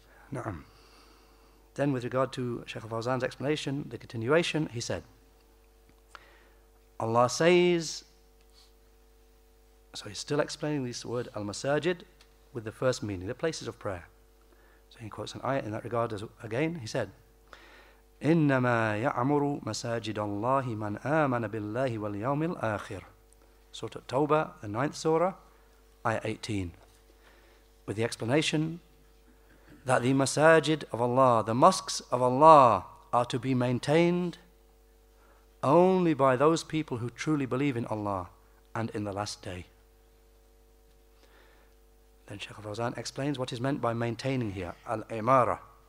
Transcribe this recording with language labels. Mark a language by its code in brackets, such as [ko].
[en] Na'am. Then with regard to Shaykh al-Fawzan's explanation, the continuation, he said, Allah says, so he's still explaining this word al-masajid, with the first meaning, the places of prayer. So he quotes an ayah in that regard again. He said, [ar] إِنَّمَا يَعْمُرُ مَسَاجِدَ اللَّهِ مَنْ آمَنَ بِاللَّهِ وَالْيَوْمِ الْآخِرِ Surah At-Tawbah, the 9th surah, ayah 18. [en] With the explanation that the masajid of Allah, the mosques of Allah, are to be maintained only by those people who truly believe in Allah and in the last day. Then Shaykh al-Fawzan explains what is meant by maintaining here, al-imara.